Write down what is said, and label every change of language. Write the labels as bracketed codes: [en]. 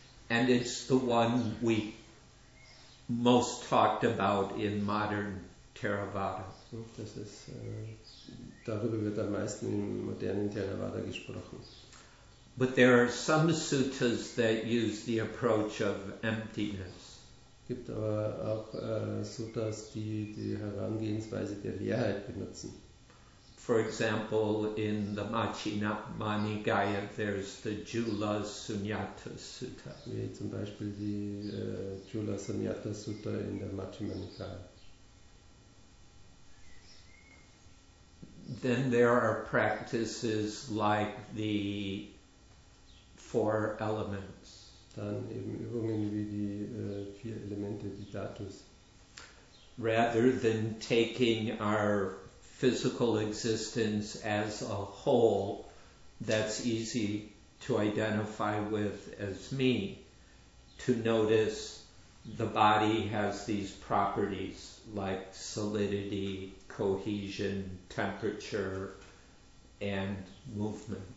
[en] And it's the one we most talked about in modern Theravada. [de] Das ist, darüber wird am meisten im modernen Theravada gesprochen. [en] But there are some suttas that use the approach of emptiness. [de] Gibt aber auch Suttas, die die Herangehensweise der Leerheit benutzen. [en] For example, in the Machinamanigaya, there's the Jula Sunyata Sutta. [de] Wie zum Beispiel die Jula Sunyata Sutta in der Machinamanigaya. [en] Then there are practices like the four elements. [de] Dann eben Übungen wie die vier Elemente, die Dhatus. [en] Rather than taking our physical existence as a whole that's easy to identify with as me, to notice the body has these properties like solidity, cohesion, temperature and movement.